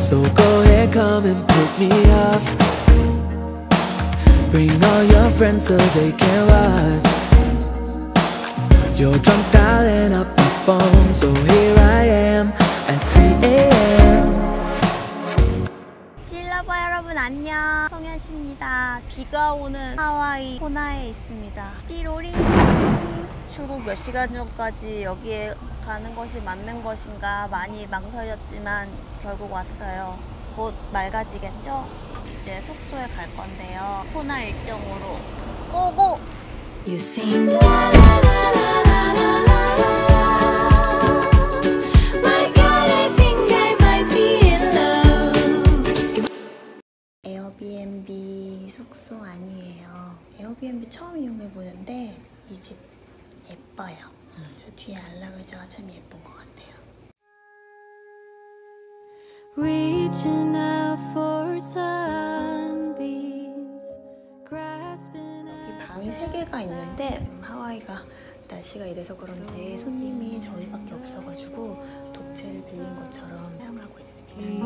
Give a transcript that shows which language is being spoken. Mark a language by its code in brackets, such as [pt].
[en] So go ahead, come and put me off. Bring all your friends so they can watch. You're drunk dialing up the phone, so here I am at 3 a.m. [ko] 실라바 여러분 안녕. 송현씨입니다. 비가 오는 하와이 코나에 있습니다. 띠로리. 출국 몇 시간 전까지 여기에 가는 것이 맞는 것인가 많이 망설였지만 결국 왔어요. 곧 맑아지겠죠? 이제 숙소에 갈 건데요. 코나 일정으로 고고! [en] You sing la la la la la la la la. My God, I think I might be in love. [ko] Airbnb 숙소 아니에요. Airbnb 처음 이용해보는데 이 집 예뻐요. 저 뒤에 알람 의자가 참 예쁜 것 같아요. [en] Reaching out for sunbeams, grasping. [ko] 여기 방이 세 개가 있는데 하와이가 날씨가 이래서 그런지 손님이 저희밖에 없어가지고 독채를 빌린 것처럼 사용하고 있습니다.